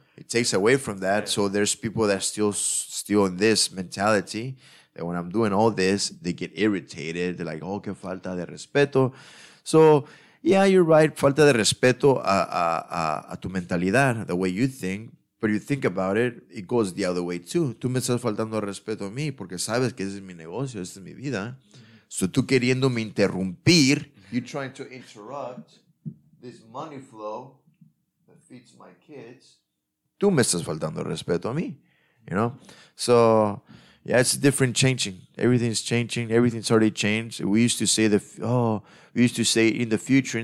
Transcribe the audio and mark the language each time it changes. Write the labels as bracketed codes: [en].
[en] It takes away from that. Yeah. So there's people that are still in this mentality. And when I'm doing all this, they get irritated. They're like, oh, [es] que falta de respeto. [en] So, yeah, you're right. [es] Falta de respeto a tu mentalidad, [en] the way you think. But you think about it, it goes the other way too. [es] Tú me estás faltando respeto a mí porque sabes que ese es mi negocio, esa es mi vida. So tú queriéndome interrumpir. [en] You're trying to interrupt this money flow that feeds my kids. [es] Tú me estás faltando respeto a mí, [en] you know? So... yeah, it's different changing. Everything's changing. Everything's already changed. We used to say in the future.